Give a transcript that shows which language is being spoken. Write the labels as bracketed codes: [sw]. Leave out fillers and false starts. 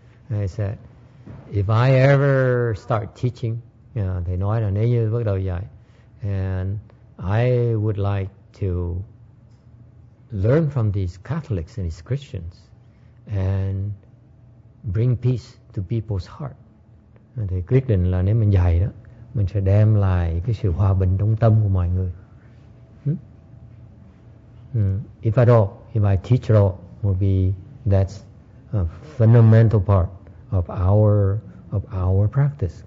[en] I said, if I ever start teaching, [vi] thầy nói là nếu như bắt đầu dạy, [en] and I would like to learn from these Catholics and these Christians and bring peace to people's heart. [vi] Thầy quyết định là nếu mình dạy đó, mình sẽ đem lại cái sự hòa bình trong tâm của mọi người. [en] If at all, if I teach at all, will be that's a fundamental part of our practice.